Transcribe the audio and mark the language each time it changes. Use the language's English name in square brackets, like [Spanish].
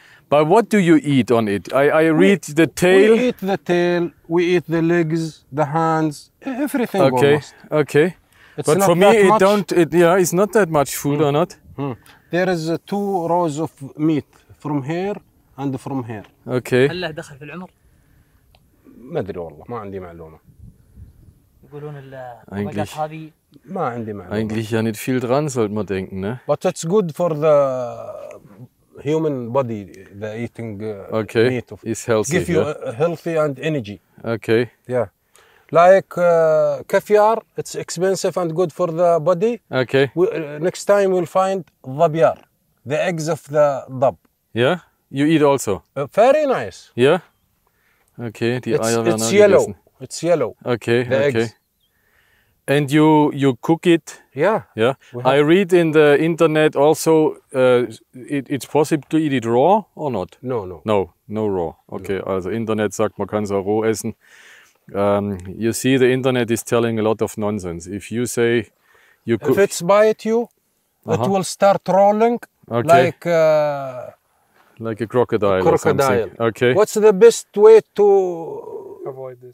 [English] But what do you eat on it? I read the tail. We eat the tail, we eat the legs, the hands, everything. Okay, almost. Okay. It's not that much food or not. Mm. There is two rows of meat from here and from here. Okay. [Arabic] الله دخل في العمر. ما أدري والله ما عندي معلومة. يقولون ال. English. ما عندي معلومة. [German] Eigentlich ja nicht viel dran, sollte man denken, ne? [English] But it's good for the. Human body, the eating meat is healthy. Give you healthy and energy. Okay. Yeah. Like kaviar, it's expensive and good for the body. Okay. Next time we'll find dabyar, the eggs of the dab. Yeah? You eat also? Very nice. Yeah? Okay. It's yellow. It's yellow. Okay. The eggs. And you cook it? Yeah. Yeah. I read in the internet also it's possible to eat it raw or not? No raw. Okay, no. [German] Also Internet sagt, man kann es auch roh essen. [English] You see, the internet is telling a lot of nonsense. If you say you cook. If it's bite you, it will start rolling like a crocodile. Okay. What's the best way to